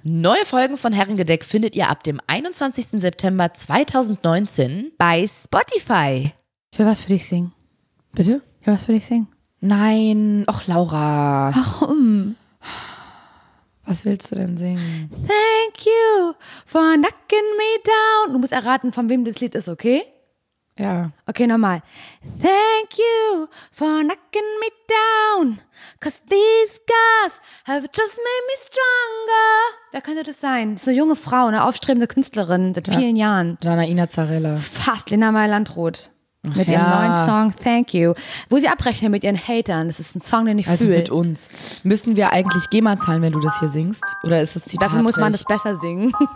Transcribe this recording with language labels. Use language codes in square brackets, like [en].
[de] Neue Folgen von Herrengedeck findet ihr ab dem 21. September 2019 bei Spotify. Ich will was für dich singen. Bitte? Ich will was für dich singen. Nein, ach Laura. Warum? Was willst du denn singen? [en] Thank you for knocking me down. [de] Du musst erraten, von wem das Lied ist, okay? Ja. Okay, nochmal. [en] Thank you for knocking me down, 'cause these scars have just made me stronger. [de] Wer könnte das sein? So eine junge Frau, eine aufstrebende Künstlerin seit vielen Jahren. Jana Ina Zarella. Fast, Lena Meyer-Landroth. Mit ihrem neuen Song Thank You. Wo sie abrechnen mit ihren Hatern. Das ist ein Song, den ich fühle. Also mit uns. Müssen wir eigentlich GEMA zahlen, wenn du das hier singst? Oder ist das Zitat Dafür muss man das besser singen.